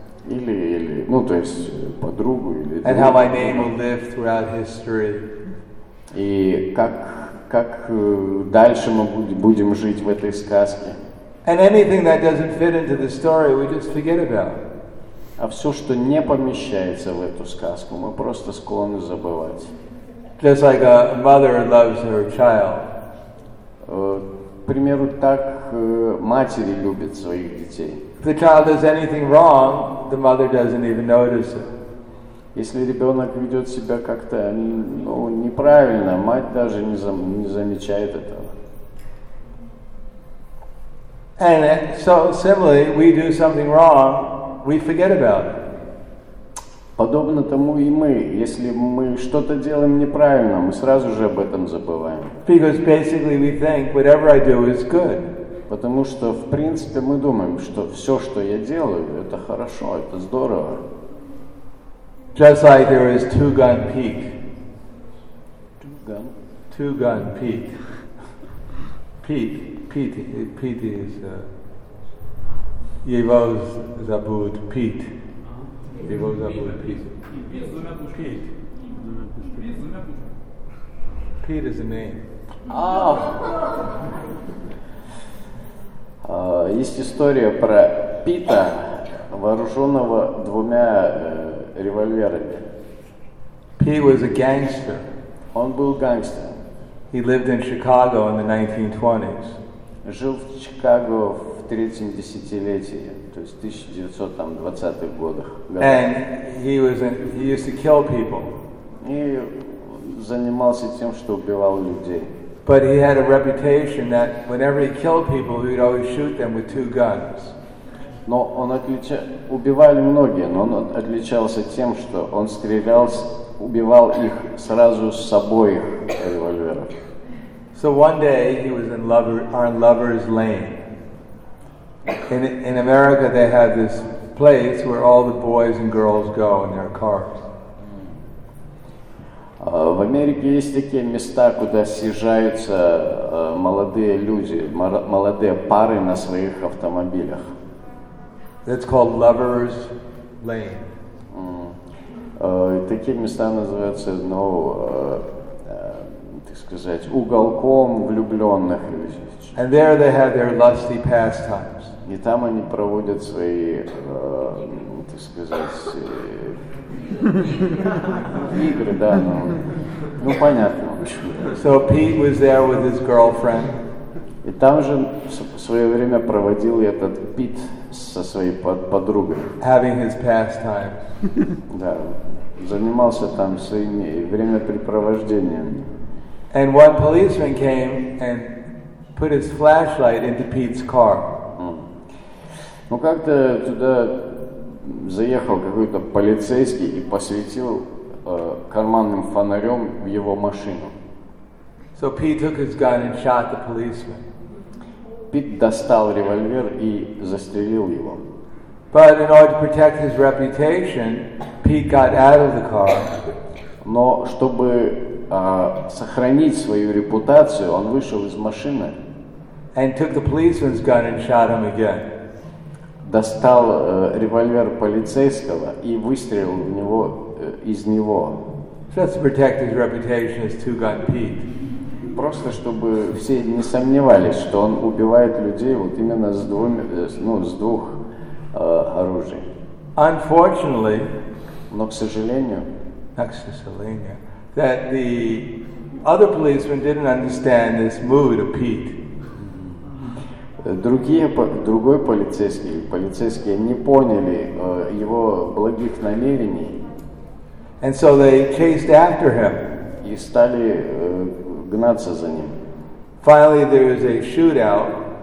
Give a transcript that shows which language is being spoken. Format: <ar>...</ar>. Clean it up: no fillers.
<ru>Или, ну, то есть подругу или.</ru> <en>And how my name will live throughout history.</en> <ru>И как дальше мы будем жить в этой сказке.</ru> <en>And anything that doesn't fit into the story, we just forget about.</en> <ru>А все, что не помещается в эту сказку, мы просто склонны забывать.</ru> <en>Just like a mother loves her child.</en> <ru>К примеру, так матери любят своих детей.</ru> <en>If the child does anything wrong, the mother doesn't even notice it.</en> <ru>Если ребенок ведет себя как-то, ну, неправильно, мать даже не замечает этого.</ru> <en>And so similarly, we do something wrong, we forget about it.</en> <ru>Подобно тому и мы, если мы что-то делаем неправильно, мы сразу же об этом забываем.</ru> <en>Because basically we think whatever I do is good.</en> <ru>Потому что, в принципе, мы думаем, что все, что я делаю, это хорошо, это здорово.</ru> <en>Just like there is Two-Gun Peak. Two-Gun? Two-Gun Peak. Peak. Pete. Pete is...</en> <ru>Его зовут Pete. Его зовут Pete.</ru> <en>Pete is a name. Oh!</en> <ru>Есть история про Пита, вооруженного двумя револьверами.</ru> <en>He was a gangster.</en> <ru>Он был гангстером.</ru> <en>He lived in Chicago in the 1920s.</en> <ru>Жил в Чикаго в третьем десятилетии, то есть 1920-х годах.</ru> <en>And he used to kill people.</en> <ru>И занимался тем, что убивал людей.</ru> <en>But he had a reputation that whenever he killed people, he would always shoot them with two guns.</en> <ru>Но он убивали многие, но он отличался тем, что он стрелял, убивал их сразу с обоих револьверов.</ru> <en>So one day he was in Lover's Lane. In America they had this place where all the boys and girls go in their cars.</en> <ru>В Америке есть такие места, куда съезжаются молодые люди, молодые пары на своих автомобилях.</ru> <en>It's called Lover's Lane.</en> <ru>Такие места называются, ну, так сказать, уголком влюбленных людей.</ru> <en>And there they have their lusty pastimes.</en> <ru>И там они проводят свои, так сказать, игры, да, ну понятно.</ru> <en>So Pete was there with his girlfriend.</en> <ru>И там же в свое время проводил этот Пит со своей подругой.</ru> <en>Having his pastime.</en> <ru>Да, занимался там своими времяпрепровождением.</ru> <en>And one policeman came and put his flashlight into Pete's car.</en> <ru>Ну как-то туда заехал какой-то полицейский и посветил карманным фонарем в его машину.</ru> <en>So Pete took his gun and shot the policeman.</en> <ru>Пит достал револьвер и застрелил его.</ru> <en>But in order to protect his reputation, Pete got out of the car.</en> <ru>Но чтобы сохранить свою репутацию, он вышел из машины.</ru> <en>And took the policeman's gun and shot him again.</en> <ru>Достал револьвер полицейского и выстрелил в него из него.</ru> <en>Just to protect his reputation as Two-Gun Pete.</en> <ru>Просто чтобы все не сомневались, что он убивает людей вот именно с двух оружий.</ru> <en>Unfortunately,</en> <ru>но к сожалению,</ru> <en>not</en> <ru>к сожалению,</ru> <en>that the other policemen didn't understand this mood of Pete.</en> <ru>Другой полицейский, полицейские не поняли его благих намерений.</ru> <en>And so they chased after him.</en> <ru>И стали гнаться за ним.</ru> <en>Finally, there was a shootout.</en>